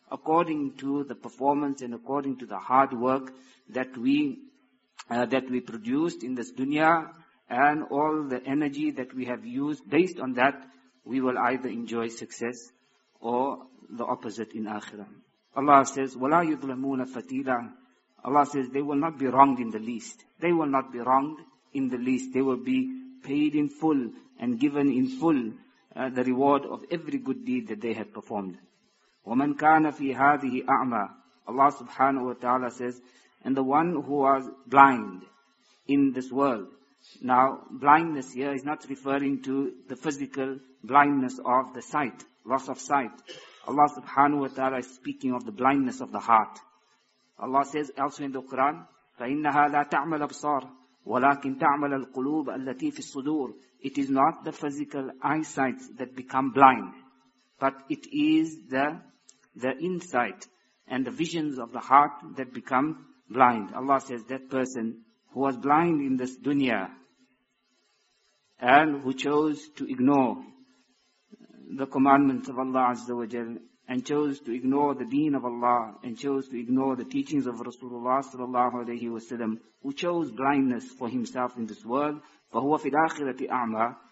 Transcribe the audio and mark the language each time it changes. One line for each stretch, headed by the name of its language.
English: According to the performance and according to the hard work that we produced in this dunya, and all the energy that we have used, based on that, we will either enjoy success or the opposite in Akhirah. Allah says,
Arabic: وَلَا يُظْلَمُونَ فَتِيلًا.
English: Allah says, they will not be wronged in the least. They will not be wronged in the least. They will be paid in full and given in full the reward of every good deed that they have performed.
Arabic: وَمَنْ كَانَ فِي هَذِهِ أَعْمَى.
English: Allah subhanahu wa ta'ala says, and the one who was blind in this world. Now, blindness here is not referring to the physical blindness of the sight, loss of sight. Allah subhanahu wa ta'ala is speaking of the blindness of the heart. Allah says elsewhere in the Quran,
Arabic: فَإِنَّهَا لَا تَعْمَى الْأَبْصَارِ وَلَكِنْ تَعْمَى الْقُلُوبِ أَلَّتِي فِي الصُّدُورِ.
English: It is not the physical eyesight that become blind, but it is the insight and the visions of the heart that become blind. Allah says that person who was blind in this dunya and who chose to ignore the commandments of Allah Azza wa Jal and chose to ignore the deen of Allah and chose to ignore the teachings of Rasulullah sallallahu alayhi wa sallam, who chose blindness for himself in this world,
Arabic: فَهُوَ فِي الْآخِرَةِ أَعْمَى.